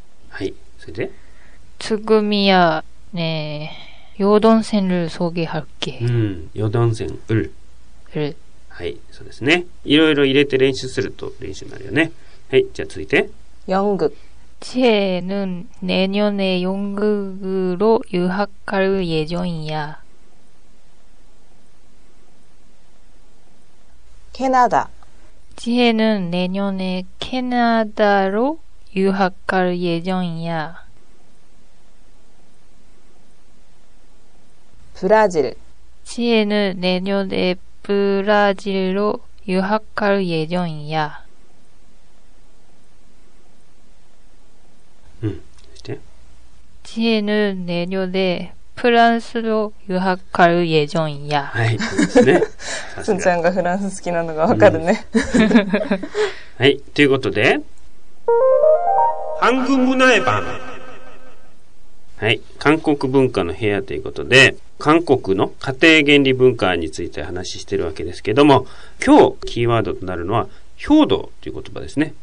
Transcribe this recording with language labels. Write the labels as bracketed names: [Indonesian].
[Japanese] はい、それで、 [Korean] つぐみや、내여동생을소개할게。うん、여동생을 을、 [Japanese] はい、そうですね。いろいろ入れて練習すると練習になるよね。はい、じゃあ続いて、 [Korean] 연극、 지혜는내년에연극으로유학갈예정이야。 캐나다、 지혜는내년에캐나다로유학갈예정이야。 브라질、 지혜는내년에브라질로유학갈예정이야。 응、네、 지혜는내년에 [Japanese] フランスを [Korean] 유학갈예정이야。 [Japanese] はい、そうですね。つんちゃんがフランス好きなのがわかるね、うん、はい、ということで、韓国文化の部屋、はい、韓国文化の部屋ということで、韓国の家庭原理文化について話してるわけですけども、今日キーワードとなるのは郷土という言葉ですね。